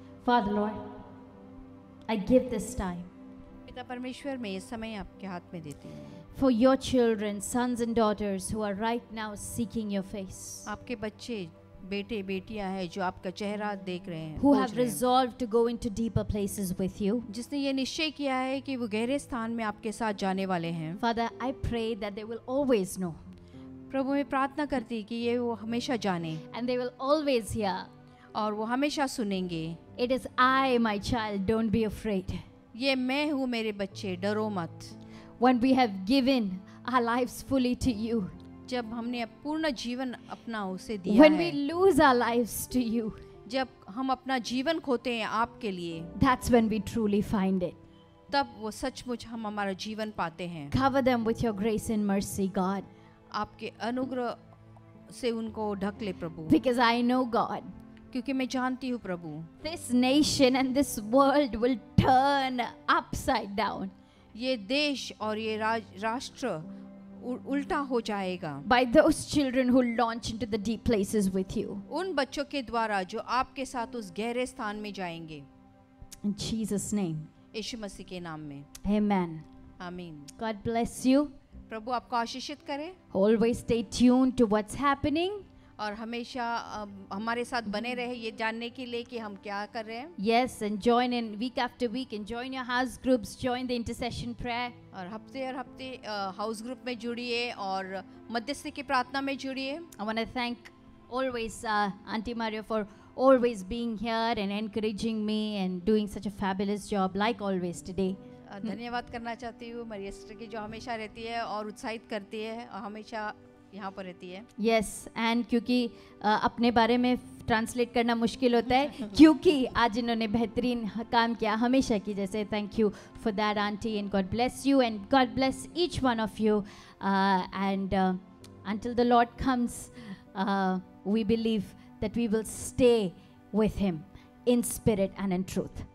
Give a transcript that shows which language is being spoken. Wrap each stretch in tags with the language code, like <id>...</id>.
<en>Father Lord, I give this time.</en> <hi>पिता परमेश्वर मैं ये समय आपके हाथ में देती हूँ।</hi> <en>For your children, sons and daughters who are right now seeking your face.</en> <hi>आपके बच्चे, बेटे, बेटियाँ हैं जो आपका चेहरा देख रहे हैं।</hi> <en>Who have resolved to go into deeper places with you.</en> <hi>जिसने ये निश्चय किया है कि वो गहरे स्थान में आपके साथ जाने वाले हैं।</hi> <en>Father, I pray that they will always know.</en> <hi>प्रभु मैं प्रार्थना करती कि ये वो हमेशा जाने।</hi> <en>And they will always hear.</en> <hi>और वो हमेशा सुनेंगे।</hi> <en>It is I, my child. Don't be afraid.</en> <hi>ये मैं हूँ मेरे बच्चे। डरो मत।</hi> <en>When we have given our lives fully to you.</en> <hi>जब हमने पूर्ण जीवन अपना उसे दिया</hi> <en>है। When we lose our lives to you.</en> <hi>जब हम अपना जीवन खोते हैं आपके लिए।</hi> <en>That's when we truly find it.</en> <hi>तब वो सचमुच हम हमारा जीवन पाते हैं।</hi> <en>Cover them with your grace and mercy, God.</en> <hi>आपके अनुग्रह से उनको ढक ले प्रभु।</hi> <en>Because I know God.</en> <hi>क्योंकि मैं जानती हूँ प्रभु।</hi> <en>This nation and this world will turn upside down।</en> <hi>ये देश और ये राष्ट्र उल्टा हो जाएगा।</hi> <en>By those children who launch into the deep places with you।</en> <hi>उन बच्चों के द्वारा जो आपके साथ उस गहरे स्थान में जाएंगे।</hi> <en>In Jesus' name।</en> <hi>यीशु मसीह के नाम में।</hi> <en>Amen। Amen। God bless you।</en> <hi>प्रभु आपको आशीषित करे।</hi> <en>Always stay tuned to what's happening।</en> <hi>और हमेशा हमारे साथ बने रहे ये जानने के लिए कि हम क्या कर रहे हैं।</hi> <en>Yes, and join in week after week and join your house groups, join the intercession prayer.</en> <hi>और हफ्ते house group में जुड़िए और मध्यस्थ की प्रार्थना में जुड़िए।</hi> <en>I want to thank always Auntie Maria for always being here and encouraging me and doing such a fabulous job like always today.</en> <hi>धन्यवाद करना चाहती हूँ मरिया सिस्टर की जो हमेशा रहती है और उत्साहित करती है और हमेशा यहाँ पर रहती है</hi> <en>yes and</en> <hi>क्योंकि अपने बारे में ट्रांसलेट करना मुश्किल होता है क्योंकि आज इन्होंने बेहतरीन काम किया हमेशा की जैसे</hi> <en>thank you for that aunty and God bless you and God bless each one of you and until the Lord comes we believe that we will stay with him in spirit and in truth</en>